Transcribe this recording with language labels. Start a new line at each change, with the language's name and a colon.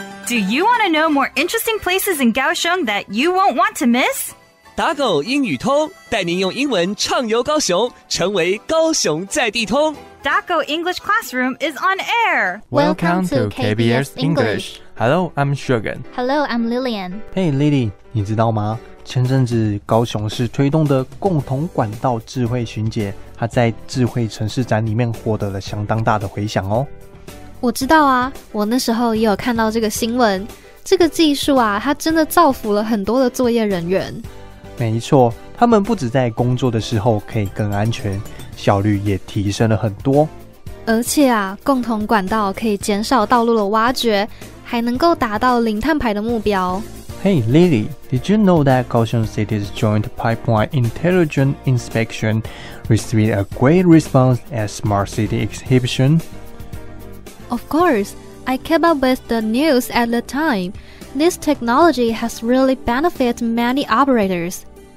English: Do you want to know more interesting places in Kaohsiung that you won't want to miss?
Chinese: 打狗英语通，带您用英文畅游高雄，成为高雄在地通。
English: Daco English Classroom is on air. Welcome to KBS English. Hello, I'm Shogun. Hello, I'm Lillian. Hey, Lily,
Chinese: 你知道吗？前阵子高雄市推动的共同管道智慧巡检，它在智慧城市展里面获得了相当大的回响哦。我知道啊，我那时候也有看到这个新闻。这个技术啊，它真的造福了很多的作业人员。没错，他们不只在工作的时候可以更安全。效率也提升了很多，而且啊，共同管道可以减少道路的挖掘，还能够达到零碳排的目标。
English: Hey Lily, did you know that Kaohsiung City's Joint Pipeline Intelligent Inspection received a great response at Smart City Exhibition? Of course, I kept up with the news at the time. This technology has really benefited many operators.